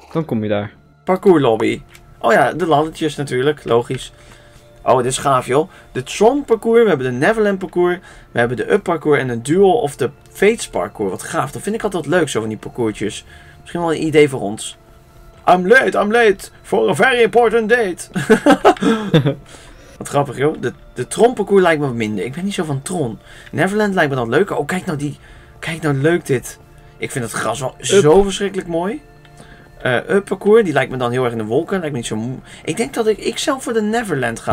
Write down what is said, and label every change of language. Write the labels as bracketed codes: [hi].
[nl] Dan kom je daar. Parcours lobby. Oh ja, de landetjes natuurlijk. Logisch. Oh, dit is gaaf joh. De Tron parcours, we hebben de Neverland parcours, we hebben de Up parcours en de Duel of the Fates parcours. Wat gaaf. Dat vind ik altijd leuk zo van die parcoursjes. Misschien wel een idee voor ons. [en] I'm late for a very important date. [nl] Wat grappig joh, de Tron parcours lijkt me wat minder. Ik ben niet zo van Tron. Neverland lijkt me dan leuker. Oh, kijk nou leuk dit. Ik vind het gras wel zo verschrikkelijk mooi. Up parcours, die lijkt me dan heel erg in de wolken. Lijkt me niet zo moe. Ik denk dat ik zelf voor de Neverland ga.